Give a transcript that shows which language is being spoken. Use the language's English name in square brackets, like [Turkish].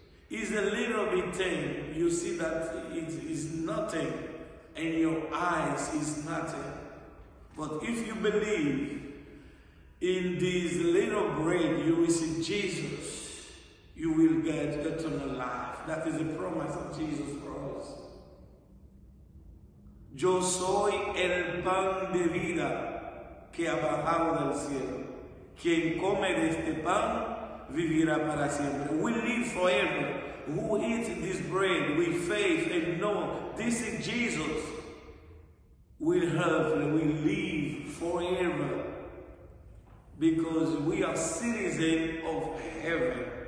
[English] It's a little bit thing. You see that it is nothing, and your eyes is nothing. But if you believe in this little bread, you receive Jesus, you will get eternal life. That is the promise of Jesus Christ. [Spanish] Yo soy el pan de vida que ha bajado del cielo. Quien come de este pan vivirá para siempre. [English] We live forever. Who eats this bread with faith and know this is Jesus will have and will live forever because we are citizens of heaven.